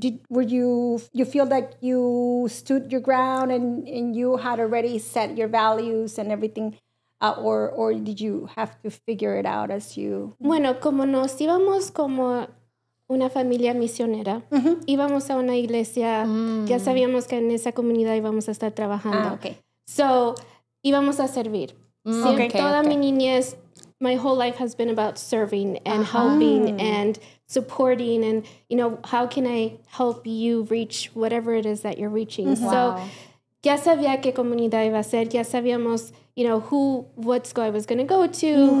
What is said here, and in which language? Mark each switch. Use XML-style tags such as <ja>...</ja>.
<en>Were you feel like you stood your ground and you had already set your values and everything? Or did you have to figure it out as you...</en> <es>Bueno, como nos íbamos como una familia misionera, íbamos a una iglesia, ya sabíamos que en esa comunidad íbamos a estar trabajando. So, íbamos a servir. Mi niñez,</es> <en>my whole life has been about serving and helping and supporting and, you know, how can I help you reach whatever it is that you're reaching? Wow. So,</en> <es>ya sabía qué comunidad iba a ser, ya sabíamos,</es> <en>you know, who, what school I was going to go to, mm-hmm.</en>